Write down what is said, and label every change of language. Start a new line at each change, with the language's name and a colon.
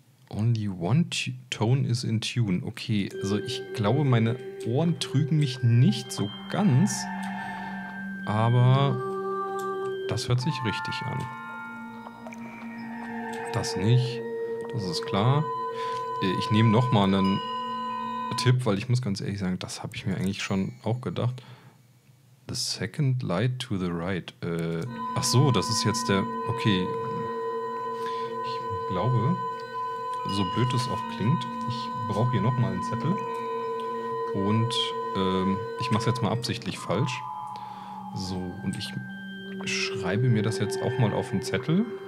English: Only one tone is in tune.
German: Okay, also ich glaube, meine Ohren trügen mich nicht so ganz. Aber das hört sich richtig an. Das nicht. Das ist klar. Ich nehme nochmal einen Tipp, weil ich muss ganz ehrlich sagen, das habe ich mir eigentlich schon auch gedacht.
English: The second light to the right.
German: Ach so, das ist jetzt der... Okay. Ich glaube, so blöd es auch klingt, ich brauche hier nochmal einen Zettel. Und ich mache es jetzt mal absichtlich falsch. So, und ich schreibe mir das jetzt auch mal auf den Zettel.